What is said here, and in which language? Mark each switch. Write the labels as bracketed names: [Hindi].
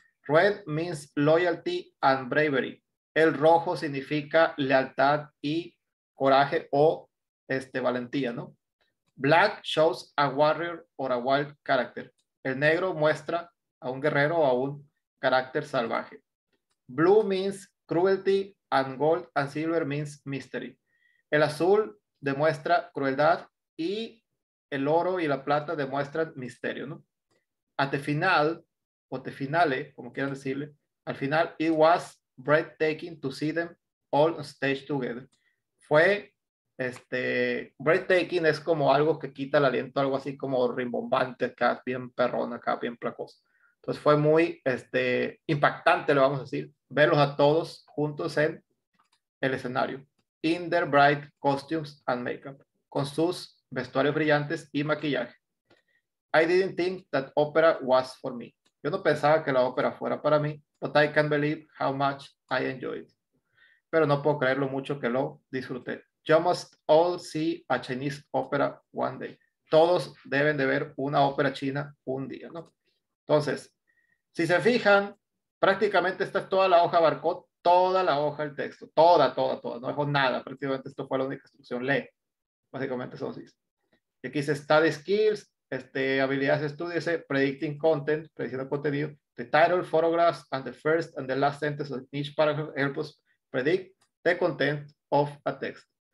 [English] Red means loyalty and bravery. [Spanish] El rojo significa lealtad y coraje o valentía, ¿no? [English] Black shows a warrior or a wild character. [Spanish] El negro muestra a un guerrero o a un carácter salvaje. [English] Blue means cruelty and gold and silver means mystery. [Spanish] El azul demuestra crueldad y el oro y la plata demuestran misterio, ¿no? [English] At the final, [Spanish] Ponte finales, como quieran decirle. Al final, [English] it was breathtaking to see them all on stage together. [Spanish] Fue, breathtaking es como algo que quita el aliento, algo así como rimbombante, acá bien perrón, acá bien placoso. Entonces fue muy, impactante, le vamos a decir, verlos a todos juntos en el escenario. [English] In their bright costumes and makeup, [Spanish] con sus vestuarios brillantes y maquillaje. [English] I didn't think that opera was for me. [Spanish] Yo no pensaba que la ópera fuera para mí, [English] but I can't believe how much I enjoyed. [Spanish] Pero no puedo creer lo mucho que lo disfruté. [English] You must all see a Chinese opera one day. [Spanish] Todos deben de ver una ópera china un día, ¿no? Entonces, si se fijan, prácticamente esta es toda la hoja, abarcó toda la hoja el texto. Toda. No dejó nada. Prácticamente esto fue la única instrucción. Lee. Básicamente son así. Y aquí dice [English] study skills. [Spanish] Habilidades de estudio, dice [English] predicting content, [Spanish] prediciendo contenido, [English] the title, photographs, and the first and the last sentence of each paragraph help us predict the content of a text.